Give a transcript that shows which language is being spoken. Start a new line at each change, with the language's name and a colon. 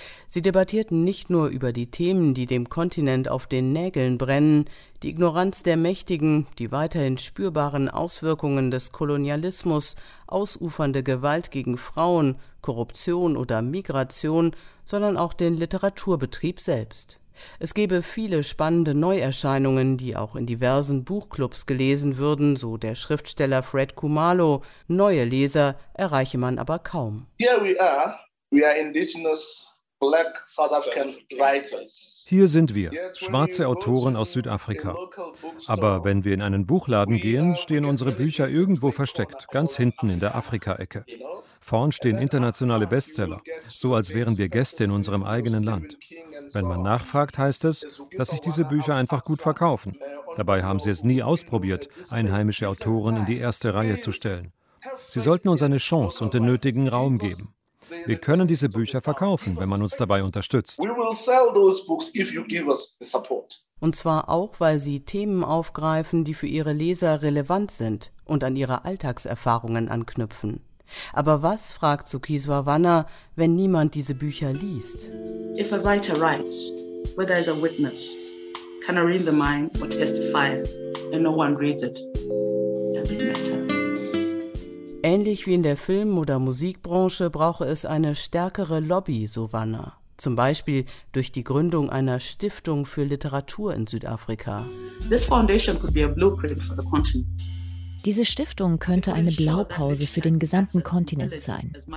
German: Sie debattierten nicht nur über die Themen, die dem Kontinent auf den Nägeln brennen, die Ignoranz der Mächtigen, die weiterhin spürbaren Auswirkungen des Kolonialismus, ausufernde Gewalt gegen Frauen, Korruption oder Migration, sondern auch den Literaturbetrieb selbst. Es gäbe viele spannende Neuerscheinungen, die auch in diversen Buchclubs gelesen würden, so der Schriftsteller Fred Kumalo. Neue Leser erreiche man aber kaum.
English: Here we are. We are indigenous black South African writers.
German: Hier sind wir, schwarze Autoren aus Südafrika. Aber wenn wir in einen Buchladen gehen, stehen unsere Bücher irgendwo versteckt, ganz hinten in der Afrika-Ecke. Vorn stehen internationale Bestseller, so als wären wir Gäste in unserem eigenen Land. Wenn man nachfragt, heißt es, dass sich diese Bücher einfach gut verkaufen. Dabei haben sie es nie ausprobiert, einheimische Autoren in die erste Reihe zu stellen. Sie sollten uns eine Chance und den nötigen Raum geben. Wir können diese Bücher verkaufen, wenn man uns dabei unterstützt. Und zwar auch, weil sie Themen aufgreifen, die für ihre Leser relevant sind und an ihre Alltagserfahrungen anknüpfen. Aber was, fragt Sukiswa Wana, wenn niemand diese Bücher liest?
English: If a writer writes, whether as a witness, can I read the mind or testify, and no one reads it, does it matter?
German: Ähnlich wie in der Film- oder Musikbranche brauche es eine stärkere Lobby, so Wana. Zum Beispiel durch die Gründung einer Stiftung für Literatur in Südafrika. Diese Stiftung könnte eine Blaupause für den gesamten Kontinent sein.